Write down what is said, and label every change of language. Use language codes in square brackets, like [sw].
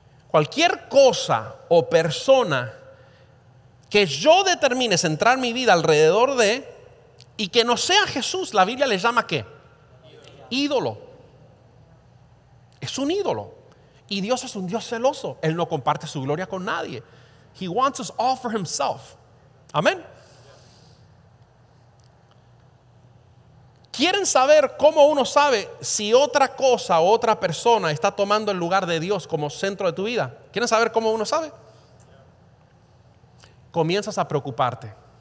[es] Cualquier cosa o persona que yo determine centrar mi vida alrededor de, y que no sea Jesús, la Biblia le llama ¿qué? Ídolo. Es un ídolo. Y Dios es un Dios celoso. Él no comparte su gloria con nadie. [en] He wants us all for himself. [es] Amén. ¿Quieren saber cómo uno sabe si otra cosa o otra persona está tomando el lugar de Dios como centro de tu vida? ¿Quieren saber cómo uno sabe? Comienzas a preocuparte.